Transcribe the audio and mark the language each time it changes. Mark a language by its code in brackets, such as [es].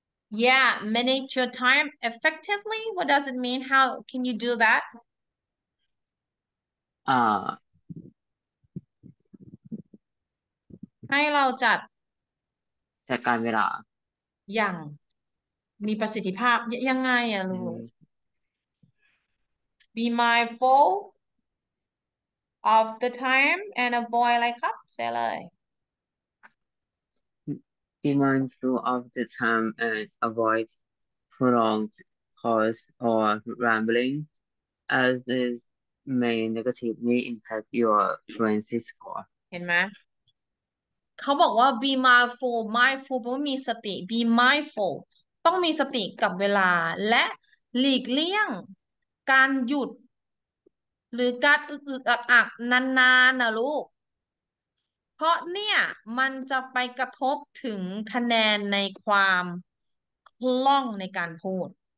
[en] yeah manage your time effectively what does it mean how can you do that [th] ให้เราจัด จัดการเวลา อย่างมีประสิทธิภาพยังไงอะลูก [en] be mindful of the time and avoid like up [th] เซเลย [en] Be mindful of the time and avoid prolonged pause or rambling, as this may negatively impact your fluency score. [th] เห็นไหมเขาบอกว่า [en] be mindful mindful [th] แปลว่ามีสติ [en] be mindful [th] ต้องมีสติกับเวลาและหลีกเลี่ยงการหยุดหรือการอักๆนานๆนะลูกเพราะเนี่ยมันจะไปกระทบถึงคะแนนในความคล่องในการพูด